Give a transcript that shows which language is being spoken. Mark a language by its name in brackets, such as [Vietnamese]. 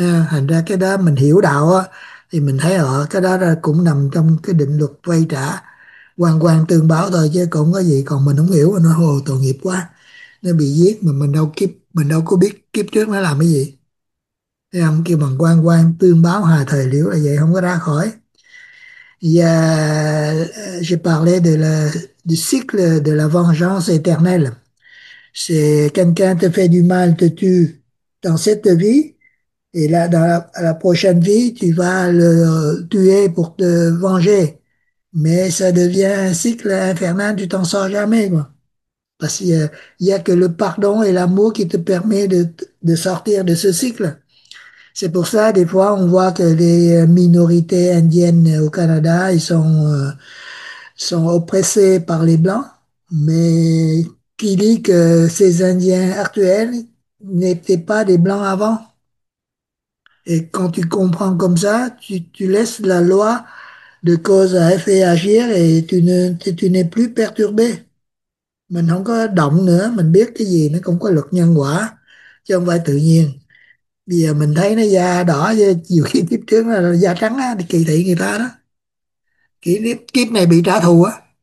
[Vietnamese] Thành ra cái đó mình hiểu đạo á thì mình thấy họ cái đó cũng nằm trong cái định luật quay trả quan quan tương báo thôi chứ cũng có gì, còn mình không hiểu nó hồ tội nghiệp quá nó bị giết mà mình đâu có biết kiếp trước nó làm cái gì. Thế ông kêu bằng quan quan tương báo hà thời liễu là vậy, không có ra khỏi. [French] Je parlais du cycle de la vengeance éternelle. C'est quelqu'un te fait du mal, te tue dans cette vie, et là dans la prochaine vie, tu vas le tuer pour te venger. Mais ça devient un cycle infernal, tu t'en sors jamais, quoi. Parce qu'il n'y a que le pardon et l'amour qui te permet de sortir de ce cycle. C'est pour ça, des fois, on voit que les minorités indiennes au Canada, ils sont oppressés par les Blancs. Mais qui dit que ces Indiens actuels n'étaient pas des Blancs avant? Et quand tu comprends comme ça, tu laisses la loi de cause à effet agir et tu n'es plus perturbé. [Vietnamese] Mình không có động nữa, mình biết cái gì nó cũng có luật nhân quả, chứ không phải tự nhiên. Bây giờ mình thấy nó da đỏ, nhiều khi kiếp trước là da trắng á, kỳ thị người ta đó. Kiếp này bị trả thù á.